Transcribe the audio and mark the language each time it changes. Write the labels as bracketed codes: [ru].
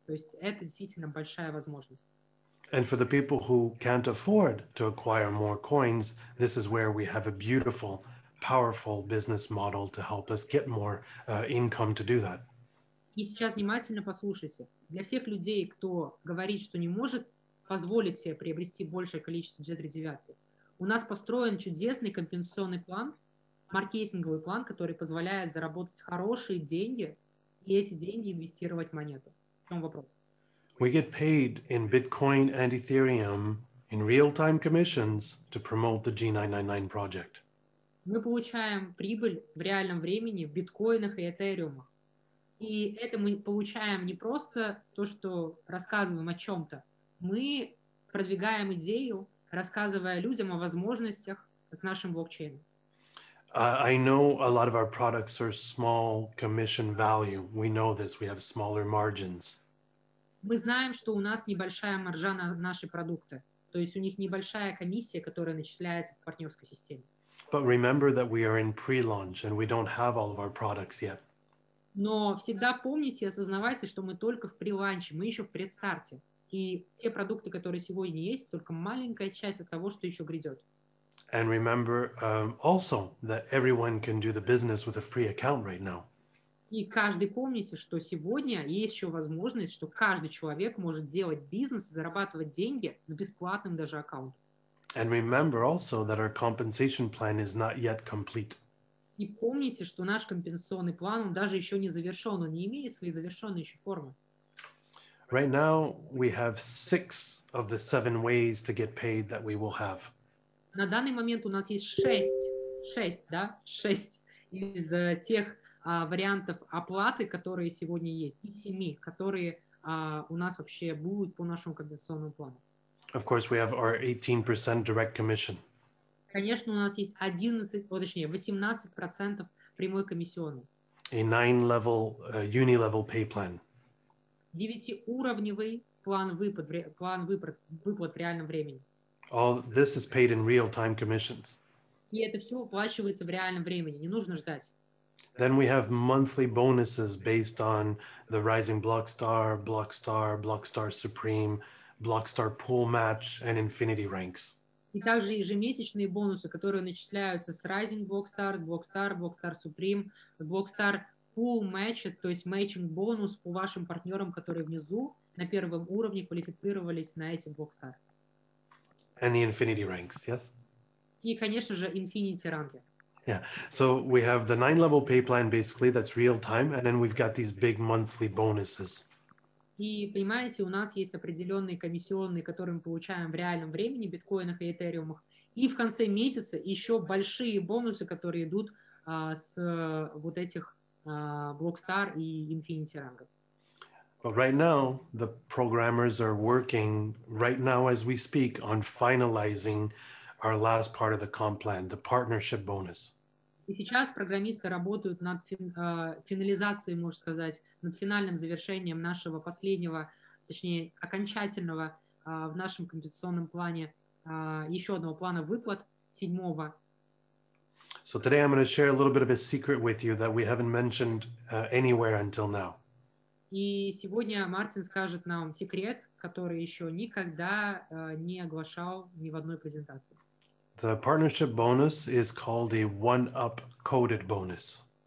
[ru] То есть это действительно большая возможность. [en] And for the people who can't afford to acquire more coins, this is where we have a beautiful, powerful business model to help us get more income to do that. [ru] И сейчас внимательно послушайте. Для всех людей, кто говорит, что не может позволить себе приобрести большее количество G39, у нас построен чудесный компенсационный план, маркетинговый план, который позволяет заработать хорошие деньги и эти деньги инвестировать в монету. В чем вопрос? [en] We get paid in Bitcoin and Ethereum in real-time commissions to promote the G999 project. [ru] Мы получаем прибыль в реальном времени в биткоинах и этериумах. И это мы получаем не просто то, что рассказываем о чем-то. Мы продвигаем идею, рассказывая людям о возможностях с нашим блокчейном. [en] I know a lot of our products are small commission value. We know this. We have smaller margins. [ru] Мы знаем, что у нас небольшая маржа на наши продукты. То есть у них небольшая комиссия, которая начисляется в партнерской системе. [en] But remember that we are in pre-launch and we don't have all of our products yet. [ru] Но всегда помните и осознавайте, что мы только в прелаунче, мы еще в предстарте. И те продукты, которые сегодня есть, только маленькая часть от того, что еще грядет. [en] And remember also that everyone can do the business with a free account right now. [ru] И каждый помните, что сегодня есть еще возможность, что каждый человек может делать бизнес и зарабатывать деньги с бесплатным даже аккаунтом. [en] And remember also that our compensation plan is not yet complete. [ru] И помните, что наш компенсационный план, он даже еще не завершен, он не имеет своей завершенной еще формы. [en] Right now we have 6 of the 7 ways to get paid that we will have. [ru] На данный момент у нас есть 6 из тех вариантов оплаты, которые сегодня есть, и 7, которые у нас вообще будут по нашему компенсационному плану. [en] Of course, we have our 18% direct commission. [ru] Конечно, у нас есть 18% прямой комиссионный. [en] A 9-level, uni-level pay plan. [ru] 9-уровневый план выплат в реальном времени. [en] All this is paid in real-time commissions. [ru] И это все оплачивается в реальном времени, не нужно ждать. [en] Then we have monthly bonuses based on the rising Blockstar, Blockstar, Blockstar Supreme, Blockstar Pool Match, and Infinity Ranks. [ru] И также ежемесячные бонусы, которые начисляются с Rising Blockstar, Blockstar, Blockstar Supreme, Blockstar Pool Match, то есть matching бонус по вашим партнерам, которые внизу на первом уровне квалифицировались на эти Blockstar. [en] And the Infinity Ranks, yes? [ru] И, конечно же, Infinity Ranks. [en] Yeah, so we have the 9-level pay plan, basically, that's real-time, and then we've got these big monthly bonuses. [ru] И, понимаете, у нас есть определенные комиссионные, которые мы получаем в реальном времени, в биткоинах и этериумах, и в конце месяца еще большие бонусы, которые идут с вот этих Blockstar и Infinity Rang. [en] But right now, the programmers are working right now as we speak on finalizing our last part of the comp plan, the partnership bonus. [ru] И сейчас программисты работают над финализацией, можно сказать, над финальным завершением нашего последнего, точнее, окончательного в нашем компенсационном плане еще одного плана выплат седьмого. [en] So today I'm going to share a little bit of a secret with you that we haven't mentioned anywhere until now. [ru] И сегодня Мартин скажет нам секрет, который еще никогда не оглашал ни в одной презентации. [en] The partnership bonus is called a one-up coded bonus.